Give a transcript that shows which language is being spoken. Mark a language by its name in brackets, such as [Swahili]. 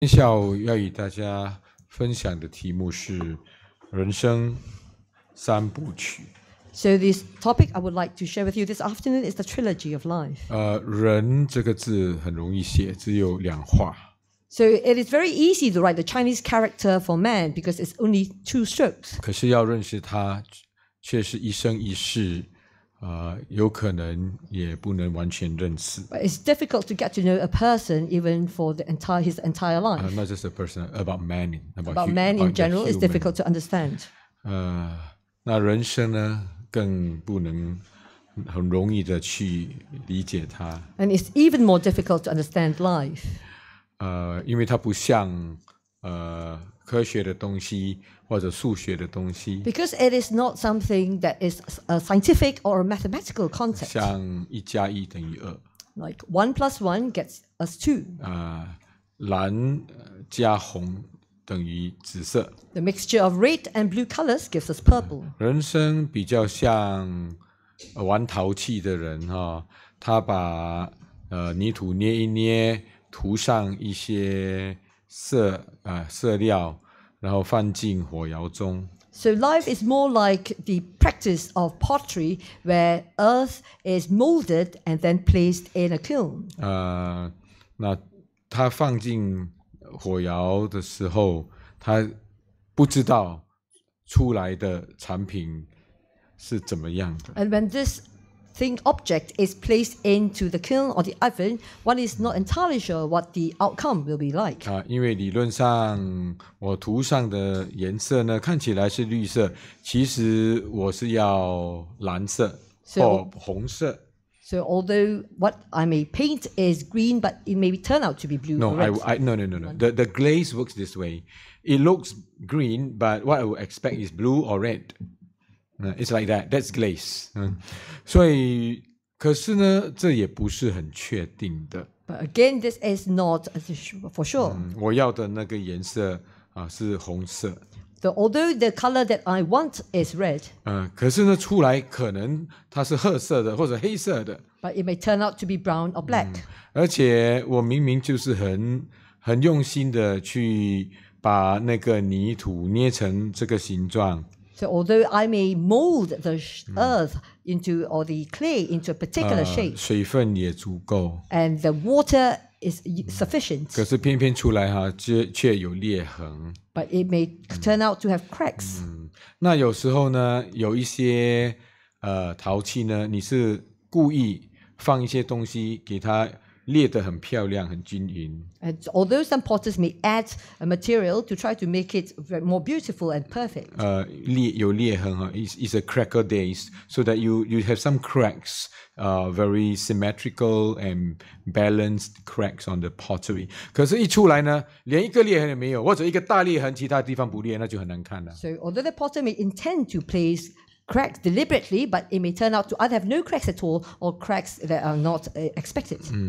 [Chinese] 今天下午要与大家分享的题目是人生三部曲。 [English] So this topic I would like to share with you this afternoon is the trilogy of life. [Chinese] 人这个字很容易写，只有两画。 [English] So it is very easy to write the Chinese character for man because it's only two strokes. [Chinese] 可是要认识他，却是一生一世。有可能也不能完全认识。 [English] But it's difficult to get to know a person even for his entire life. Not just a person, about man. About man in general is difficult to understand. [Chinese] 那人生呢，更不能很容易的去理解它。 [English] And it's even more difficult to understand life. [Chinese] 因为它不像科学的东西或者数学的东西 [English] ，because it is not something that is a scientific or a mathematical concept. [Chinese] 像一加一等于二 [English] ，like one plus one gets us two. [Chinese] 蓝加红等于紫色 [English] ，the mixture of red and blue colors gives us purple. [Chinese] 人生比较像玩陶器的人哈、哦，他把泥土捏一捏，涂上一些。色料然后放进火窑中。 [English] So life is more like the practice of pottery where earth is molded and then placed in a kiln. [Chinese] 那他放进火窑的时候他不知道出来的产品是怎么样的。 [English] And when this object is placed into the kiln or the oven, one is not entirely sure what the outcome will be like. [Chinese] 因为理论上我涂上的颜色呢看起来是绿色，其实我是要蓝色或红色。 [English] So although what I may paint is green, but it may turn out to be blue. No. The glaze works this way. It looks green, but what I would expect is blue or red. It's like that. That's glaze. [Chinese] 所以可是呢这也不是很确定的。 [English] But again, this is not for sure. [Chinese] 我要的那个颜色是红色。 [English] So, although the color that I want is red. [Chinese] 可是呢出来可能它是褐色的或者黑色的。 [English] But it may turn out to be brown or black. [Chinese] 而且我明明就是很用心的去把那个泥土捏成这个形状。 [English] So although I may mold the earth into or the clay into a particular shape, [Chinese] 水分也足够 [English] and the water is sufficient. [Chinese] 可是偏偏出来哈，却有裂痕 [English] but it may turn out to have cracks. [Chinese] 那有时候呢，有一些陶器呢，你是故意放一些东西给它。裂得很漂亮，很均匀。 [English] And although some potters may add a material to try to make it more beautiful and perfect. [Chinese] 有裂痕哈 [English] ，is a cracker days, so that you have some cracks, very symmetrical and balanced cracks on the pottery. [Chinese] 可是，一出来呢，连一个裂痕也没有，或者一个大裂痕，其他地方不裂，那就很难看了。 [English] So although the potter may intend to place cracks deliberately, but it may turn out to either have no cracks at all or cracks that are not expected.